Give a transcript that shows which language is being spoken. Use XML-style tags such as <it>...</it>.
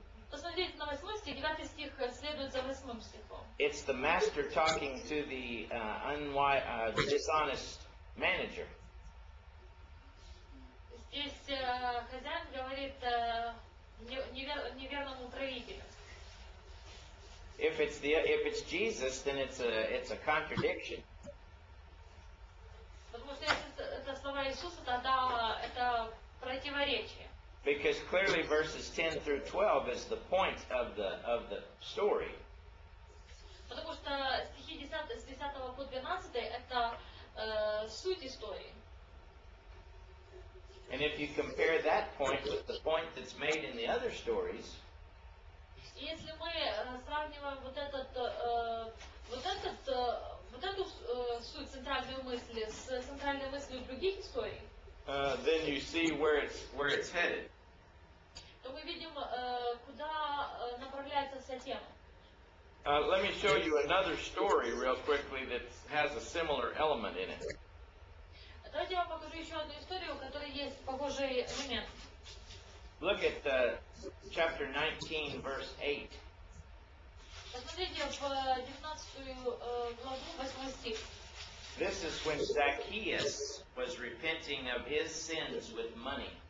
<ru>Посмотрите на восьмой стих, девятый стих следует за восьмым стихом.</ru> <en>It's the master talking to the dishonest manager.</en> <ru>Здесь хозяин говорит неверному правителю.</ru> <en>If it's Jesus, then it's a contradiction.</en> <ru>Потому что если это слова Иисуса, тогда это противоречие.</ru> <en>Because clearly verses 10 through 12 is the point of the story.</en> <ru>Потому что стихи 10 по 12 это суть истории.</ru> <en>And if you compare that point with the point that's made in the other stories,</en> <ru>если мы сравниваем вот эту суть центральной мысли с центральной мыслью других историй,</ru> <en>then you see where it's headed.</en> <ru>То мы видим, куда направляется вся тема.</ru> <en>Let me show you another story real quickly that has a similar element in it.</en> <ru>Давайте я вам покажу еще одну историю, у которой есть похожий момент.</ru> <en>Look at chapter 19, verse 8.</en> <ru>Посмотрите в 19 главу, 8 стих.</ru> <en>This is when Zacchaeus was repenting of his sins with money.</en>